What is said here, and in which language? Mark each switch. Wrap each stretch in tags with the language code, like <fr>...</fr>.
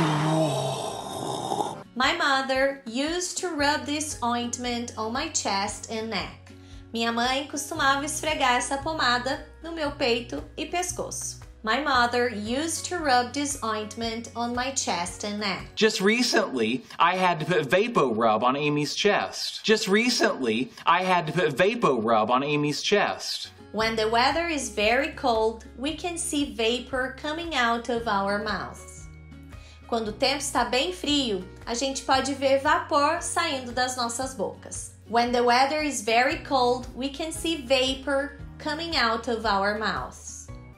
<en>My mother used to rub this ointment on my chest and neck.</en> <pt>Minha mãe costumava esfregar essa pomada no meu peito e pescoço.</pt> <en>My mother used to rub this ointment on my chest and neck. Just recently, I had to put Vapo Rub on Amy's chest. Just recently, I had to put Vapo Rub on Amy's chest. When the weather is very cold, we can see vapor coming out of our mouths.</en> <pt>Quando o tempo está bem frio, a gente pode ver vapor saindo das nossas bocas.</pt> <en>When the weather is very cold, we can see vapor coming out of our mouths.</en>